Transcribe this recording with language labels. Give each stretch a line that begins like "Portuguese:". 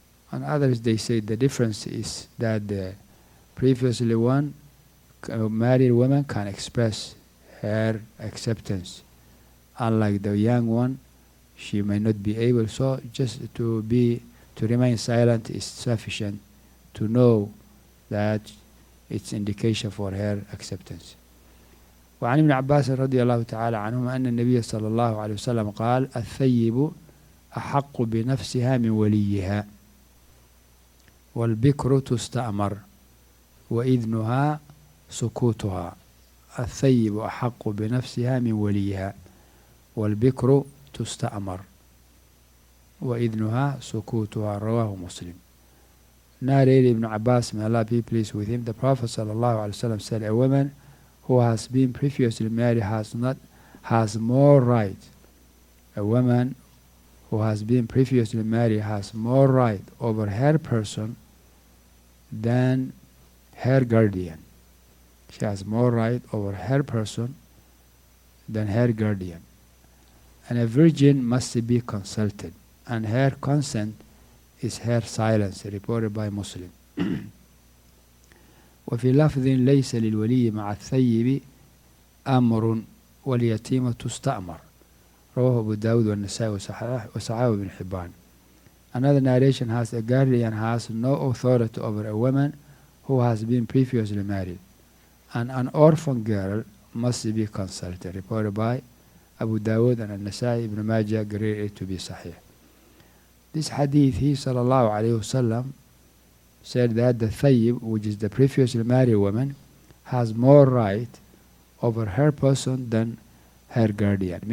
English: And others, they say the difference is that the previously married woman can express her acceptance. Unlike the young one, she may not be able. So just to remain silent is sufficient to know that it's indication for her acceptance.
Arabic: وعن ابن عباس رضي الله تعالى عنهما أن النبي صلى الله عليه وسلم قال الثيب أحق بنفسها من وليها والبكر تستأمر وإذنها سكوتها. الثيب أحق بنفسها من وليها والبكر تستأمر وإذنها سكوتها. رواه مسلم.
English: narrated ابن عباس may Allah be pleased with him, the Prophet
Arabic: صلى الله عليه وسلم
English: said a woman who has been previously married has more right. A woman who has been previously married has more right over her person than her guardian. She has more right over her person than her guardian. And a virgin must be consulted, and her consent is her silence, reported by Muslim.
Arabic: وفي لفظ ليس للولي مع الثيب أمر واليتيمة تستأمر. رواه أبو داود والنسائي وصححه ابن حبان.
English: Another narration has a guardian has no authority over a woman who has been previously married, and an orphan girl must be consulted. Reported by أبو داود and النسائي ابن ماجه قرير to be صحيح. This hadith he
Arabic: صلى الله عليه وسلم
English: said that the thayyib, which is the previously married woman, has more right over her person than her guardian.